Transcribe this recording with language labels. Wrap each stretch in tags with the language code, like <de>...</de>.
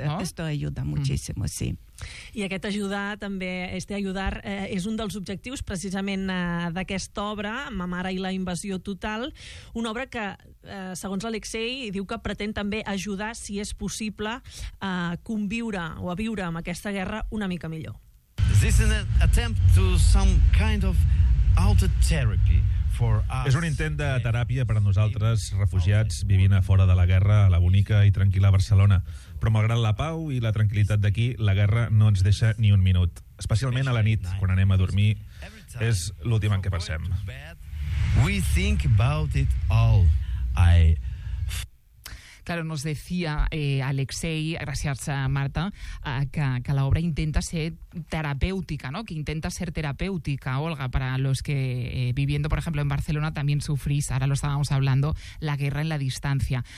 <es>esto ayuda muchísimo, sí.</es> <ca>I aquest ajudar també, este ajudar, és un dels objectius precisament d'aquesta obra, Ma mare i la invasió total, una obra que, segons l'Alexei, diu que pretén també ajudar, si és possible, a conviure o a viure amb aquesta guerra una mica millor.</ca> <en>This is an attempt to some kind of altered therapy.</en> <ca>És un intent de teràpia per a nosaltres, refugiats, vivint a fora de la guerra, a la bonica i tranquil·la Barcelona. Però malgrat la pau i la tranquil·litat d'aquí, la guerra no ens deixa ni un minut. Especialment a la nit, quan anem a dormir, és l'últim en què pensem.</ca> <en>We think about it all.</en> <es>Claro, nos decía Alexei, gracias a Marta, que la obra intenta ser terapéutica, ¿no? Que intenta ser terapéutica, Olga, para los que viviendo, por ejemplo, en Barcelona también sufrís, ahora lo estábamos hablando, la guerra en la distancia.</es>